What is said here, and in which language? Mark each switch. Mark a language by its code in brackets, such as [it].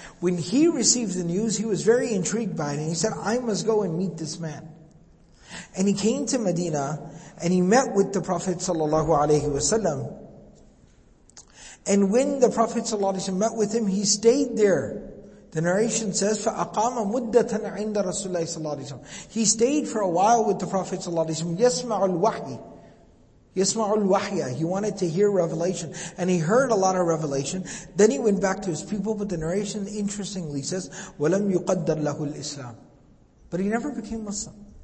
[en] When he received the news, he was very intrigued by it, and he said, I must go and meet this man. And he came to Medina, and he met with the Prophet sallallahu alaihi wasallam. And when the Prophet sallallahu alaihi wasallam met with him, he stayed there. The narration says, [ar] فَأَقَامَ مُدَّةً عِنْدَ رَسُولَهِ صَلَّى اللَّهِ عَلَيْهِ وَسَلَّمَ. [en] He stayed for a while with the Prophet sallallahu alaihi wasallam. [ar] يَسْمَعُ الْوَحْيِ. يَسْمَعُ الْوَحْيَ. [en] He wanted to hear revelation, and he heard a lot of revelation. Then he went back to his people. But the narration interestingly says, [ar] وَلَمْ يُقَدَّرْ لَهُ الْإِسْلَامِ. [en] But he never became Muslim.